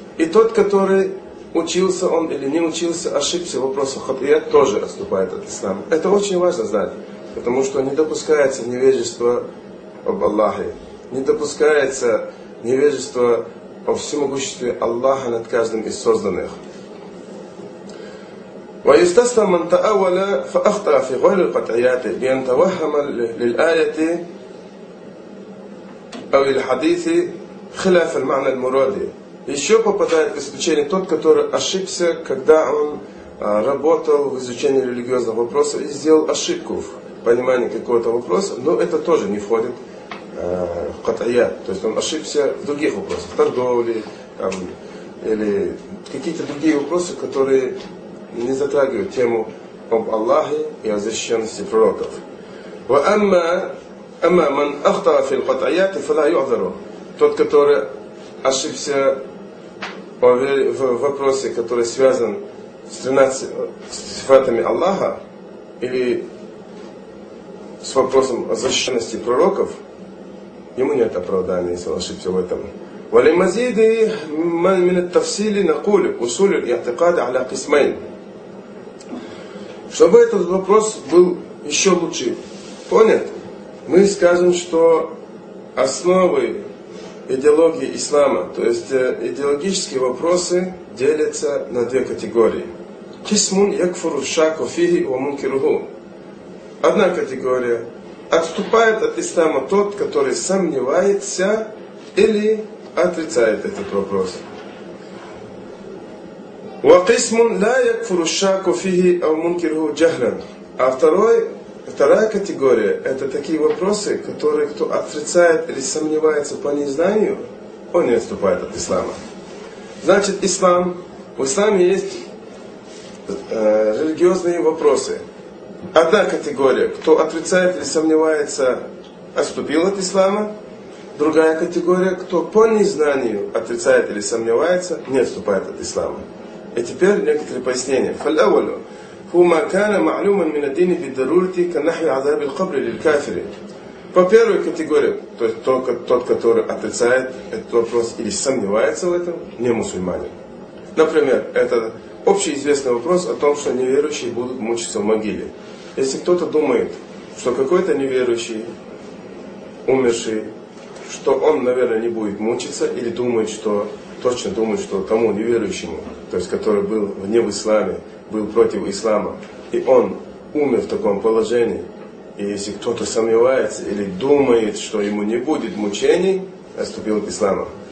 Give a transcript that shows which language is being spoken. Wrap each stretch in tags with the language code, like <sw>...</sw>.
<ru>И тот, который учился он или не учился, ошибся в вопросах хатаят, тоже отступает от ислама. Это очень важно знать, потому что не допускается невежество об Аллахе, не допускается невежество о всемогуществе Аллаха над каждым из созданных.</ru> <ar>ويستثنى من تأول فأخطأ في غير القطعيات بأن توهم للآية أو الحديث خلاف المعنى المرادي.</ar> <ru>Еще попадает в исключение тот, который ошибся, когда он работал в изучении религиозных вопросов и сделал ошибку в понимании какого-то вопроса, но это тоже не входит в قطعيات. То есть он ошибся в других вопросах, в торговле там, или какие-то другие вопросы, которые не затрагивают тему об Аллахе и о защищенности пророков.</ru> <ar>وأما من أخطأ في القطعيات فلا يعذره.</ar> <ru>Тот, который ошибся в вопросе, который связан с 13 сифатами Аллаха или с вопросом о защищенности пророков, ему нет оправдания, если он ошибся в этом.</ru> <ar>ولمزيد من التفصيل نقول أصول الاعتقاد على قسمين.</ar> <ru>Чтобы этот вопрос был еще лучше понят, мы скажем, что основы идеологии ислама, то есть идеологические вопросы, делятся на две категории.</ru> <ar>Кисмун якфуру шаку фиги ва мункируху.</ar> <ru>Одна категория. Отступает от ислама тот, который сомневается или отрицает этот вопрос.</ru> <ar>وَقِسْمٌ لَا يَكْفُرُ الشَّاكُ فِيهِ أَوْ مُنْكِرُهُ جَهْلًا.</ar> <ru>А вторая категория – это такие вопросы, которые кто отрицает или сомневается по незнанию, он не отступает от ислама. Значит, ислам, в исламе есть религиозные вопросы. Одна категория – кто отрицает или сомневается, отступил от ислама. Другая категория – кто по незнанию отрицает или сомневается, не отступает от ислама. И теперь некоторые пояснения.</ru> <ar>فالأولو هو ما كان معلوما من الدين بالضرورة كنحي عذاب القبر للكافر.</ar> <ru>По первой категории, то есть тот, который отрицает этот вопрос или сомневается в этом, не мусульманин. Например, это общеизвестный вопрос о том, что неверующие будут мучиться в могиле. Если кто-то думает, что какой-то неверующий, умерший, что он, наверное, не будет мучиться, или думает, что точно думает, что тому неверующему, то есть который был вне в исламе, был против ислама, и он умер в таком положении, и если кто-то сомневается или думает, что ему не будет мучений, отступил от ислама.</ru>